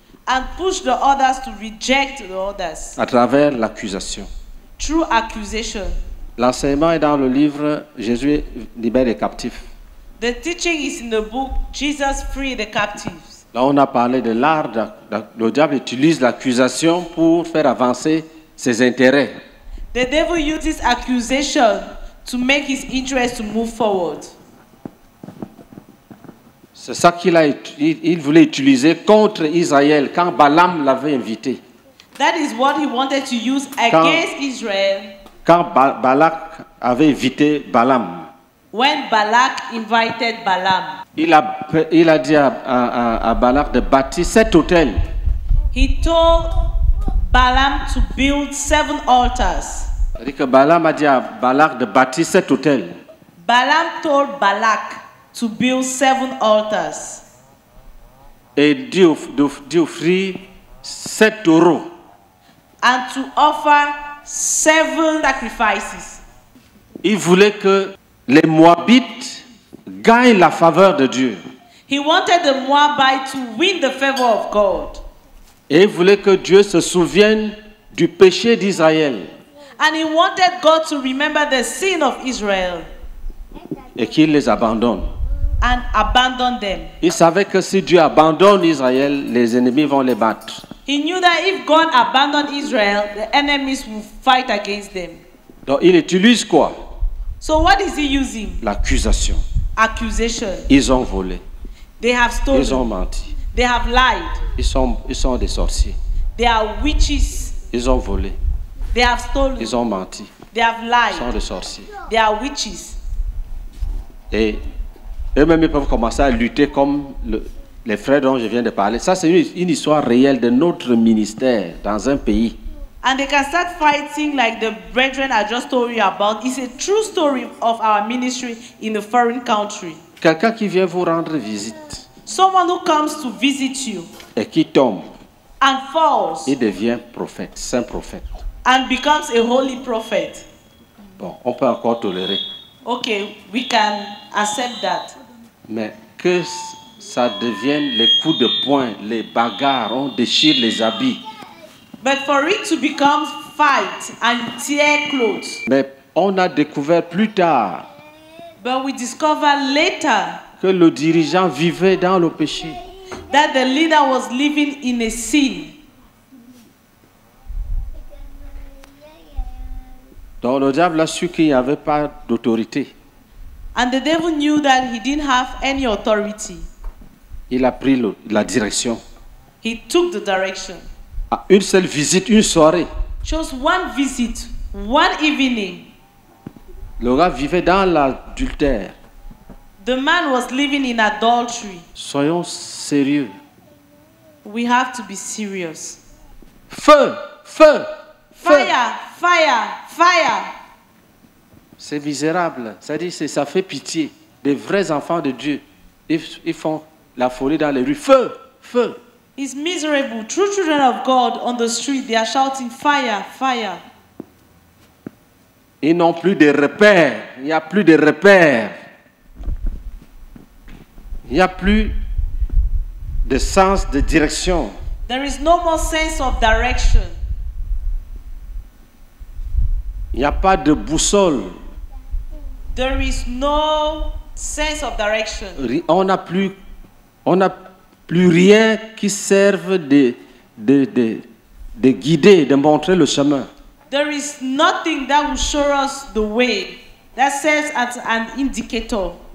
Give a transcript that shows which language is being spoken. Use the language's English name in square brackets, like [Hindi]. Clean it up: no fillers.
[English] And push the others to reject the others. [French] À travers l'accusation. [English] Through accusation. [French] L'enseignement est dans le livre Jésus libère les captifs. [English] The teaching is in the book Jesus free the captives. [French] Là, on a parlé de l'art. Le diable utilise l'accusation pour faire avancer ses intérêts. [English] The devil uses accusation to make his interest to move forward. [French] C'est ça qu'il a. Il voulait utiliser contre Israël quand Balaam l'avait invité. [English] That is what he wanted to use against quand, Israel. [French] Quand Balak avait invité Balaam. [English] When Balak invited Balaam. [French] Il a dit à Balak de bâtir sept autels. [English] He told Balaam to build seven altars. [French] C'est-à-dire que Balaam a dit à Balak de bâtir sept autels. [English] Balaam told Balak to build seven altars. [French] Et d'offrir sept taureaux. [English] And to offer seven sacrifices. [French] Il voulait que les Moabites gagne la faveur de Dieu. [English] He wanted the Moabites to win the favor of God. [French] Et il voulait que Dieu se souvienne du péché d'Israël. [English] And he wanted God to remember the sin of Israel. [French] Et qu'il les abandonne. [English] And abandon them. [French] Il savait que si Dieu abandonne Israël, les ennemis vont les battre. [English] He knew that if God abandoned Israel, the enemies will fight against them. [French] Donc il utilise quoi? [English] So what is he using? [French] L'accusation. [English] Accusation. [French] Ils ont volé. [English] They have stolen. [French] Ils ont menti. [English] They have lied. [French] Ils sont des sorciers. [English] They are witches. [French] Ils ont volé. [English] They have stolen. [French] Ils ont menti. [English] They have lied. [French] Ils sont des sorciers. [English] They are witches. [French] Et eux-mêmes ils peuvent commencer à lutter comme les frères dont je viens de parler. Ça c'est une histoire réelle de notre ministère dans un pays. [English] And they can start fighting like the brethren I just told you about. It's a true story of our ministry in a foreign country. [French] Quelqu'un qui vient vous rendre visite. [English] Someone who comes to visit you. [French] Et qui tombe. [English] And falls. [French] Il devient prophète, saint prophète. [English] And becomes a holy prophet. [French] Bon, on peut encore tolérer. [English] Okay, we can accept that. [French] Mais que ça devienne les coups de poing, les bagarres, on déchire les habits. [English] But for it to become fight and tear clothes. [French] Mais on a découvert plus tard. [English] But we discover later. [French] Que le dirigeant vivait dans le péché. [English] That the leader was living in a sin. [French] Donc le diable a su qu'il n'y avait pas d'autorité. [English] And the devil knew that he didn't have any authority. [French] Il a pris la direction. [English] He took the direction. [French] À une seule visite, une soirée. [English] Just one visit, one evening. [French] Laura vivait dans l'adultère. [English] The man was living in adultery. [French] Soyons sérieux. [English] We have to be serious. [French] Feu, feu, feu. [English] Fire, fire, fire. [French] C'est misérable. C'est-à-dire, ça fait pitié. Des vrais enfants de Dieu, ils font la folie dans les rues. Feu, feu. [English] It's miserable. True children of God on the street, they are shouting fire, fire. [French] Ils n'ont plus de repères. Il n'y a plus de repères. Il n'y a plus de sens de direction. [English] There is no more sense of direction. [French] Il n'y a pas de boussole. [English] There is no sense of direction. [French] On n'a plus rien qui serve de guider, de montrer le chemin. [English] There is nothing that will show us the way that serves as an indicator.